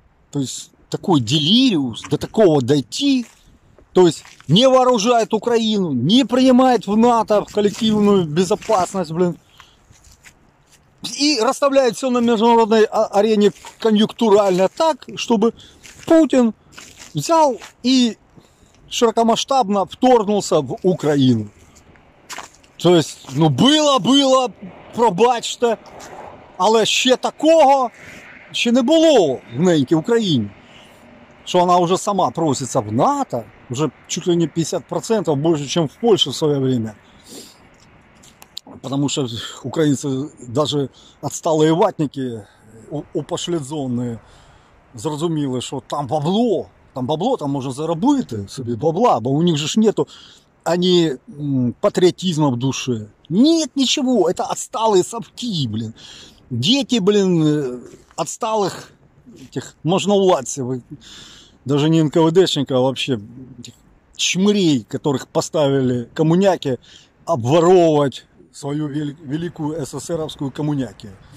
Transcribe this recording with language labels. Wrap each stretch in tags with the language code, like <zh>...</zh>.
<ru>То есть, такой делириус, до такого дойти, то есть, не вооружает Украину, не принимает в НАТО, в коллективную безопасность, блин. И расставляет все на международной арене конъюнктурально так, чтобы Путин взял и широкомасштабно вторгнулся в Украину. То есть, ну было,</ru> <uk>пробачте, але ще такого ще не було в ненькій Україні. Що вона вже сама проситься в НАТО, вже</uk> <ru>чуть ли не</ru> <uk>50% більше, ніж в Польщі в своє время. Потому що українці, даже отсталі ватники, опошлідзовані, зрозуміли, що там бабло.</uk> <ru>Там бабло, там можно заработать себе бабла, бо у них же ж нету, они патриотизма в душе. Нет ничего, это отсталые совки, блин. Дети, блин, отсталых этих можновладцев, даже не НКВДшников, а вообще этих чмырей, которых поставили коммуняки, обворовывать свою великую СССРовскую коммуняки.</ru>